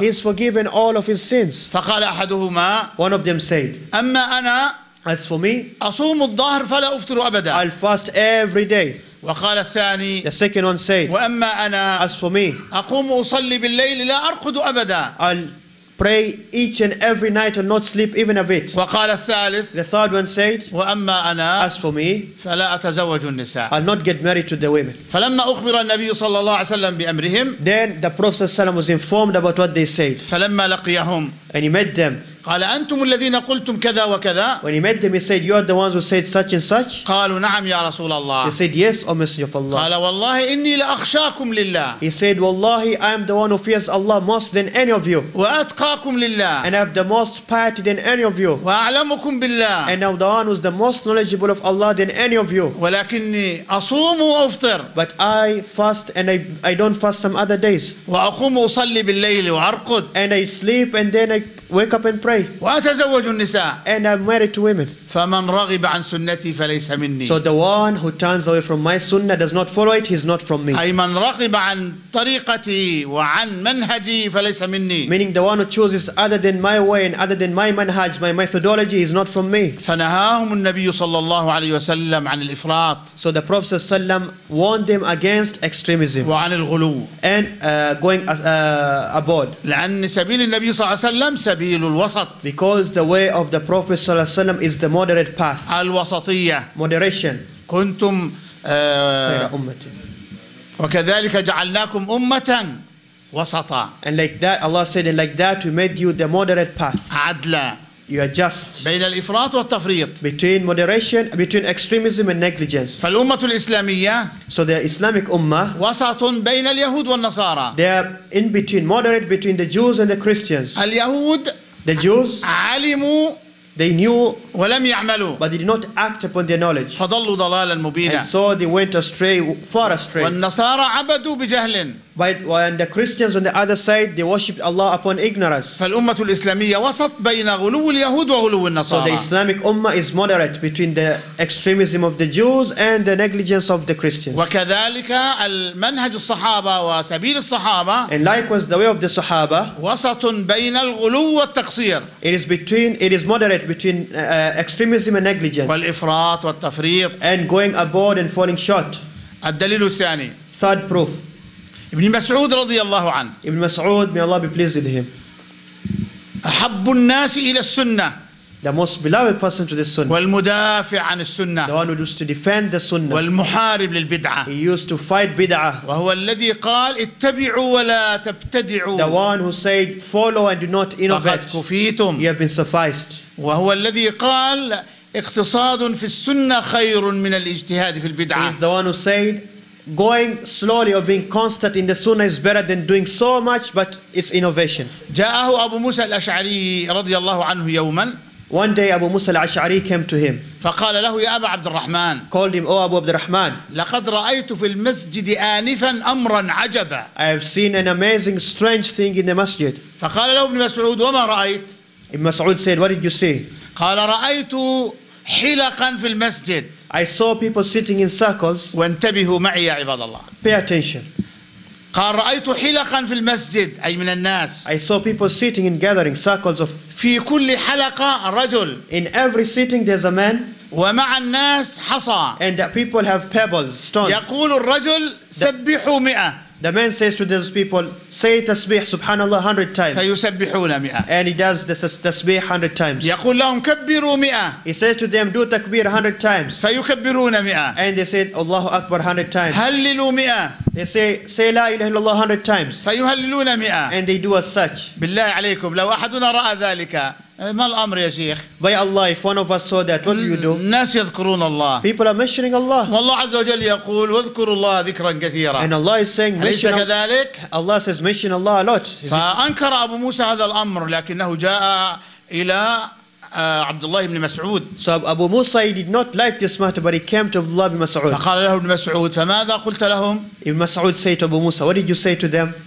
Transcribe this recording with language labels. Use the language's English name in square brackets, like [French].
[English] He is forgiven all of his sins. [Arabic] فقال أحدهما. [English] One of them said. [Arabic] أما أنا. [English] As for me. [Arabic] أصوم الظهر فلا أفطر أبدا. [English] I'll fast every day. [Arabic] وقال الثاني. [English] The second one said. [Arabic] وأما أنا. [English] As for me. [Arabic] أقوم أصلي بالليل لا أرقد أبدا. [English] Pray each and every night and not sleep even a bit. [Arabic] وقال الثالث. [English] The third one said. [Arabic] وأما أنا. [English] As for me. [Arabic] فلا أتزوج النساء. [English] I'll not get married to the women. [Arabic] فلما أخبر النبي صلى الله عليه وسلم بأمرهم. [English] Then the Prophet [Arabic] صلى الله عليه وسلم [English] was informed about what they said. [Arabic] فلما لقيهم. [English] And he met them. [Arabic] قال أنتم الذين قلتم كذا وكذا. [English] When he met them, he said, "You are the ones who said such and such." [Arabic] قالوا نعم يا رسول الله. [English] He said, "Yes, O Messenger of Allah." [Arabic] قال والله إني لأخشاكم لله. [English] He said, "Wallahi, I am the one who fears Allah most than any of you." [Arabic] وأتقاكم لله. [English] And I have the most piety than any of you. [Arabic] وأعلمكم بالله. [English] And I'm the one who's the most knowledgeable of Allah than any of you. [Arabic] ولكني أصوم وأفطر. [English] But I fast and I don't fast some other days. [Arabic] وأقوم أصلي بالليل وأرقد. [English] And I sleep and then I wake up and pray. [Arabic] وأتزوج النساء. [English] And I'm married to women. [Arabic] فمن رغب عن سنتي فليس مني. [English] So the one who turns away from my sunnah does not follow it, he's not from me. [Arabic] أي من رغب عن طريقتي وعن منهجي فليس مني. [English] Meaning the one who chooses other than my way and other than my manhaj, my methodology, is not from me. [Arabic] فنهاهم النبي صلى الله عليه وسلم عن الإفراط. [English] So the Prophet [Arabic] صلى الله عليه وسلم [English] warned them against extremism. [Arabic] وعن الغلو. [English] And going abroad. [Arabic] لأن سبيل النبي صلى الله عليه وسلم سبيل الوسط. [English] Because the way of the Prophet [Arabic] صلى الله عليه وسلم [English] is the moderate path. [Arabic] الوسطية. [English] Moderation. [Arabic] كنتم أمتي. وكذلك جعلناكم أمة وسطا. [English] And like that, Allah said, and like that, we made you the moderate path. [Arabic] عدلا. [English] You are just. [Arabic] بين الإفراط والتفريط. [English] Between moderation, between extremism and negligence. [Arabic] فالأمة الإسلامية. [English] So the Islamic Ummah. [Arabic] وسط بين اليهود والنصارى. [English] They are in between, moderate between the Jews and the Christians. [Arabic] اليهود. [English] The Jews. [Arabic] علموا. [English] They knew, [Arabic] ولم يعملوا, [English] but they did not act upon their knowledge. [Arabic] فضلوا ضلالا مبينا. [English] And so they went astray, far astray. [Arabic] والنصارى عبدوا بجهل. [English] But when the Christians on the other side, they worshipped Allah upon ignorance. [Arabic] فالأمة الإسلامية وسط بين غلو اليهود وغلو النصارى. [English] So the Islamic Ummah is moderate between the extremism of the Jews and the negligence of the Christians. [Arabic] وكذلك المنهج الصحابة وسبيل الصحابة. [English] And likewise the way of the صحابة. [Arabic] وسط بين الغلو والتقصير. [English] It is moderate between extremism and negligence. [Arabic] والإفراط والتفريط. [English] And going abroad and falling short. [Arabic] الدليل الثاني. [English] Third proof. [Arabic] ابن مسعود رضي الله عنه. [English] ابن مسعود, may Allah be pleased with him. [Arabic] أحب الناس إلى السنة. [English] The most beloved person to the sunnah. [Arabic] والمدافع عن السنة. [English] The one who used to defend the sunnah. [Arabic] والمحارب للبدعة. [English] He used to fight bid'ah. [Arabic] وهو الذي قال اتبعوا ولا تبتدعوا. [English] The one who said follow and do not innovate. [Arabic] فقد كفيتم. [English] You have been sufficed. [Arabic] وهو الذي قال اقتصاد في السنة خير من الاجتهاد في البدعة. [English] He is the one who said going slowly or being constant in the sunnah is better than doing so much, but it's innovation. [Arabic] جاءه أبو موسى الأشعري رضي الله عنه يوما. [English] One day Abu Musa al-Ash'ari came to him. [Arabic] فقال له يا أبا عبد الرحمن. [English] Called him, oh Abu عبد الرحمن. [Arabic] لقد رأيت في المسجد آنفا أمرا عجبا. [English] I have seen an amazing strange thing in the masjid. [Arabic] فقال له ابن مسعود وما رأيت. [English] Ibn Mas'ud said, what did you see? [Arabic] قال رأيت حلقا في المسجد. [English] I saw people sitting in circles. [Arabic] وانتبهوا معي يا عباد الله. [English] Pay attention. [Arabic] قال رأيت حلقا في المسجد أي من الناس. [English] I saw people sitting in gathering circles of. [Arabic] في كل حلقة رجل. [English] In every sitting there's a man. [Arabic] ومع الناس حصى. [English] And the people have pebbles, stones. [Arabic] يقول الرجل سبحوا مئة. [English] The man says to those people, say tasbih subhanallah 100 times. [Arabic] فيسبحون مئة. [English] And he does this tasbih 100 times. [Arabic] يقول لهم كبروا مئة. [English] He says to them, do takbir 100 times. [Arabic] فيكبرون مئة. [English] And they said, Allahu Akbar 100 times. [Arabic] هللوا مئة. [English] They say la ilaha illallah 100 times. [Arabic] فيهللون مئة. [English] And they do as such. [Arabic] بالله عليكم لو أحدنا رأى ذلك. ما الأمر يا شيخ؟ [English] By Allah, if one of us saw that, what do you do? [Arabic] الناس يذكرون الله. [English] People are mentioning Allah. [Arabic] والله عز وجل يقول واذكروا الله ذكرا كثيرا. [English] And Allah is saying mention. [Arabic] أليس كذلك؟ [English] Allah says mention Allah a lot. [Arabic] فأنكر أبو موسى هذا الأمر لكنه جاء إلى عبد الله بن مسعود. [English] So Abu Musa he did not like this matter, but he came to Abdullah bin Mas'ud. [Arabic] فقال له ابن مسعود فماذا قلت لهم؟ [English] Ibn Mas'ud said to Abu Musa, what did you say to them?